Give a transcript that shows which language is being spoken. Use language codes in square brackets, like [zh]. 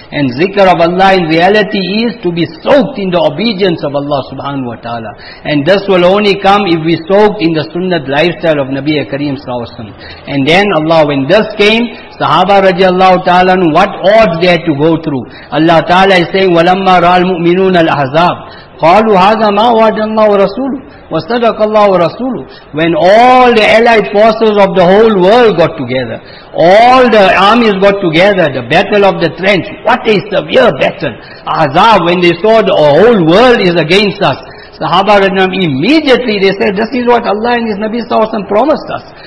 [en] And zikr of Allah in reality is to be soaked in the obedience of Allah Subhanahu Wa Ta'ala. And this will only come if we soaked in the sunnah lifestyle of Nabi Kareem Sallallahu Alaihi Wasallam. And then Allah, when this came, Sahaba radiallahu ta'ala, what odds they had to go through. Allah Ta'ala is saying, [ar] وَلَمَّا رَى الْمُؤْمِنُونَ الْأَحْزَابِ قَالُوا هَذَا مَا وَعَدَ اللَّهُ وَرَسُولُهُ وَصَدَقَ اللَّهُ وَرَسُولُهُ. [en] When all the allied forces of the whole world got together, all the armies got together, the battle of the trench, what a severe battle. Ahzab, when they saw the whole world is against us, Sahaba radiallahu anhu, immediately they said, this is what Allah and His Nabi Sallallahu Alaihi Wasallam promised us.